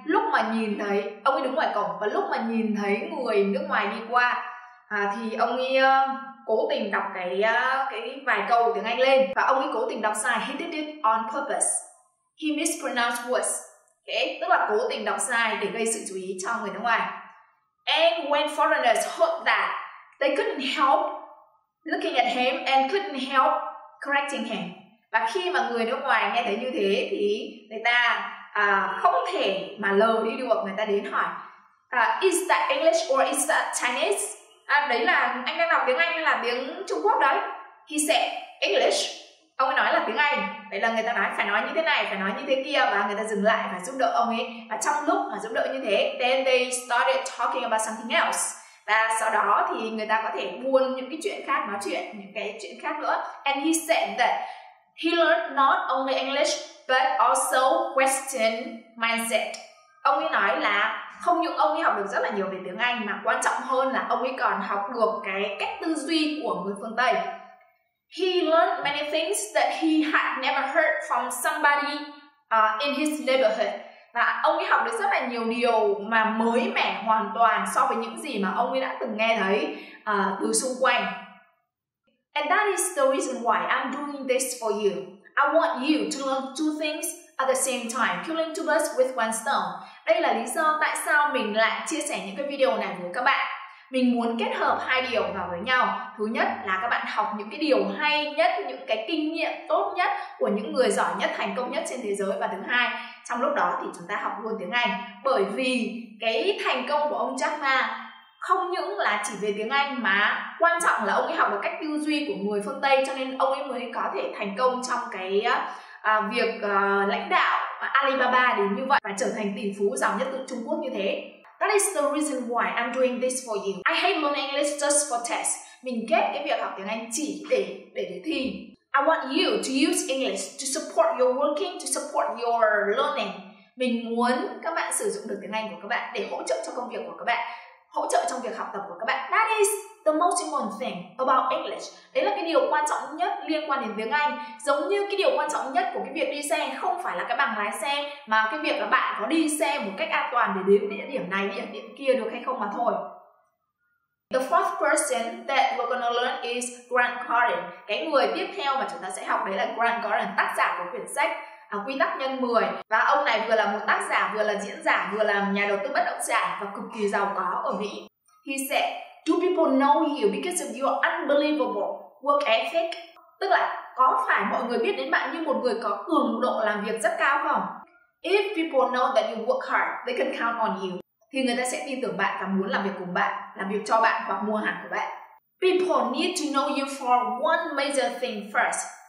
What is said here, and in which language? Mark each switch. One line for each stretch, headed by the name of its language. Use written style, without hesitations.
Vietnamese: Lúc mà nhìn thấy, ông ấy đứng ngoài cổng và lúc mà nhìn thấy người nước ngoài đi qua thì ông ấy cố tình đọc cái vài câu tiếng Anh lên, và ông ấy cố tình đọc sai.
English: He did it on purpose. He mispronounced words. Okay?
Vietnamese: Tức là cố tình đọc sai để gây sự chú ý cho người nước ngoài.
English: And when foreigners heard that, they couldn't help looking at him and couldn't help correcting him.
Vietnamese: Và khi mà người nước ngoài nghe thấy như thế thì người ta không thể mà lờ đi được, người ta đến hỏi
English: is that English or is that Chinese?
Vietnamese: Đấy là anh đang đọc tiếng Anh hay là tiếng Trung Quốc đấy?
English: He said English.
Vietnamese: Ông ấy nói là tiếng Anh. Vậy là người ta nói phải nói như thế này, phải nói như thế kia, và người ta dừng lại và giúp đỡ ông ấy. Và trong lúc mà giúp đỡ như thế,
English: then they started talking about something else.
Vietnamese: Và sau đó thì người ta có thể buôn những cái chuyện khác, nói chuyện những cái chuyện khác nữa.
English: And he said that he learned not only English but also Western mindset.
Vietnamese: Ông ấy nói là không những ông ấy học được rất là nhiều về tiếng Anh, mà quan trọng hơn là ông ấy còn học được cái cách tư duy của người phương Tây.
English: He learned many things that he had never heard from somebody in his neighborhood.
Vietnamese: Và ông ấy học được rất là nhiều điều mà mới mẻ hoàn toàn so với những gì mà ông ấy đã từng nghe thấy từ xung quanh.
English: And that is the reason why I'm doing this for you. I want you to learn two things at the same time, killing two birds with one stone.
Vietnamese: Đây là lý do tại sao mình lại chia sẻ những cái video này với các bạn. Mình muốn kết hợp hai điều vào với nhau. Thứ nhất là các bạn học những cái điều hay nhất, những cái kinh nghiệm tốt nhất của những người giỏi nhất, thành công nhất trên thế giới. Và thứ hai, trong lúc đó thì chúng ta học luôn tiếng Anh. Bởi vì cái thành công của ông Jack Ma không những là chỉ về tiếng Anh, mà quan trọng là ông ấy học được cách tư duy của người phương Tây, cho nên ông ấy mới có thể thành công trong cái việc lãnh đạo Alibaba đến như vậy và trở thành tỷ phú giàu nhất từ Trung Quốc như thế.
English: That is the reason why I'm doing this for you. I hate learning English just for tests.
Vietnamese: Mình ghét cái việc học tiếng Anh chỉ để thi.
English: I want you to use English to support your working, to support your learning.
Vietnamese: Mình muốn các bạn sử dụng được tiếng Anh của các bạn để hỗ trợ cho công việc của các bạn, hỗ trợ trong việc học tập của các bạn.
English: That is the most important thing about English.
Vietnamese: Đấy là cái điều quan trọng nhất liên quan đến tiếng Anh. Giống như cái điều quan trọng nhất của cái việc đi xe không phải là cái bằng lái xe, mà cái việc là bạn có đi xe một cách an toàn để đến địa điểm này, địa điểm kia được hay không mà thôi.
English: The fourth person that we're gonna learn is Grant Cardin.
Vietnamese: Cái người tiếp theo mà chúng ta sẽ học đấy là Grant Cardin, tác giả của quyển sách Quy tắc nhân 10. Và ông này vừa là một tác giả, vừa là diễn giả, vừa là nhà đầu tư bất động sản và cực kỳ giàu có ở Mỹ.
English: He said, do people know you because of your unbelievable work ethic?
Vietnamese: Tức là có phải mọi người biết đến bạn như một người có cường độ làm việc rất cao không?
English: If people know that you work hard, they can count on you.
Vietnamese: Thì người ta sẽ tin tưởng bạn và muốn làm việc cùng bạn, làm việc cho bạn hoặc mua hàng của bạn.
English: People need to know you for one major thing first.